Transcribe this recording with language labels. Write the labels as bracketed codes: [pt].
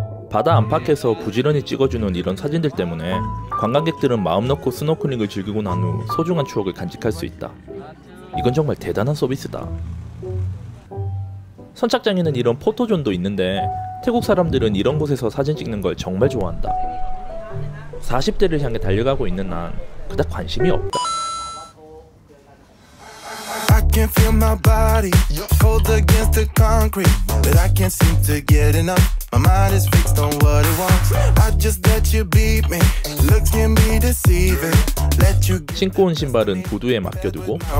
[ko] 바다 안팎에서 부지런히 찍어주는 이런 사진들 때문에 관광객들은 마음 놓고 스노클링을 즐기고 난 후 소중한 추억을 간직할 수 있다. 이건 정말 대단한 서비스다. 선착장에는 이런 포토존도 있는데 태국 사람들은 이런 곳에서 사진 찍는 걸 정말 좋아한다. 40대를 향해 달려가고 있는 난 그닥 관심이 없다. [en] Can't feel my body pulled against the concrete, but I can't seem to get enough. My mind is fixed on what it wants. I just let you beat me. Looks can be deceiving. Let you. [ko] 신고 온 신발은 보드에 맡겨두고.